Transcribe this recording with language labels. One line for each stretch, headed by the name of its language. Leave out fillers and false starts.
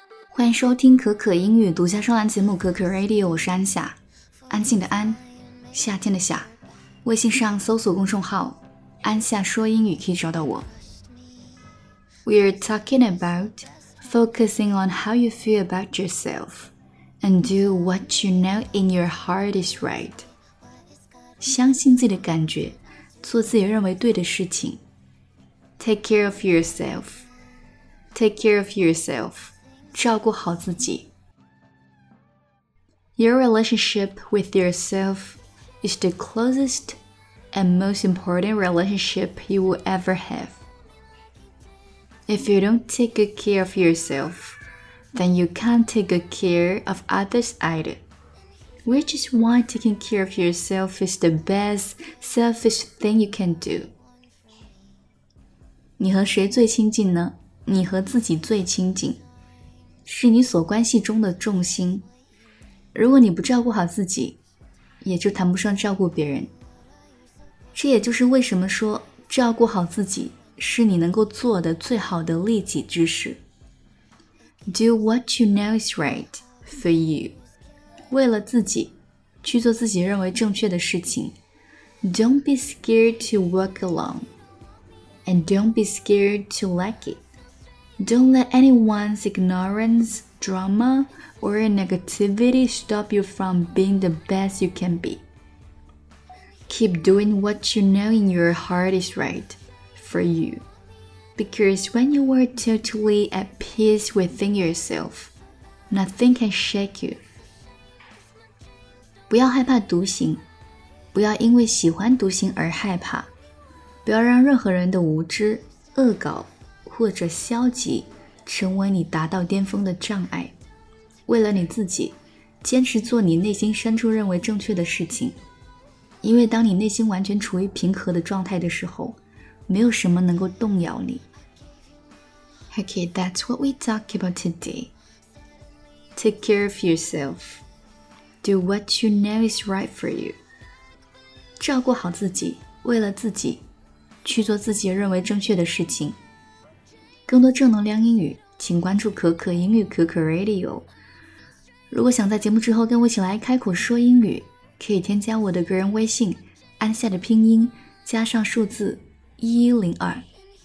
Chinese: 欢迎收听可可英语独家专栏节目可可 Radio， 我是安夏，安静的安，夏天的夏。微信上搜索公众号安夏说英语可以找到我。
English: We're talking about focusing on how you feel about yourself and do what you know in your heart is right，
Chinese: 相信自己的感觉，做自己认为对的事情。
English: Take care of yourself，
Chinese: 照顾好自己。
English: Your relationship with yourself is the closest and most important relationship you will ever have. If you don't take good care of yourself, then you can't take good care of others either. Which is why taking care of yourself is the best selfish thing you can do.
Chinese: 你和谁最亲近呢？你和自己最亲近，是你所关系中的重心。如果你不照顾好自己，也就谈不上照顾别人。这也就是为什么说照顾好自己是你能够做的最好的利己之事。
English: Do what you know is right for you，
Chinese: 为了自己去做自己认为正确的事情。
English: Don't be scared to walk alone and don't be scared to like itDon't let anyone's ignorance, drama, or negativity stop you from being the best you can be. Keep doing what you know in your heart is right for you. Because when you are totally at peace within yourself, nothing can shake you.
Chinese: 不要害怕独行，不要因为喜欢独行而害怕，不要让任何人的无知、恶搞或者消极成为你达到巅峰的障碍。为了你自己，坚持做你内心深处认为正确的事情。因为当你内心完全处于平和的状态的时候，没有什么能够动摇你。
English: Okay, that's what we talk about today. Take care of yourself. Do what you know is right for you.
Chinese: 照顾好自己，为了自己，去做自己认为正确的事情。更多正能量英语，请关注可可英语可可 Radio。如果想在节目之后跟我一起来开口说英语，可以添加我的个人微信，安夏的拼音加上数字102。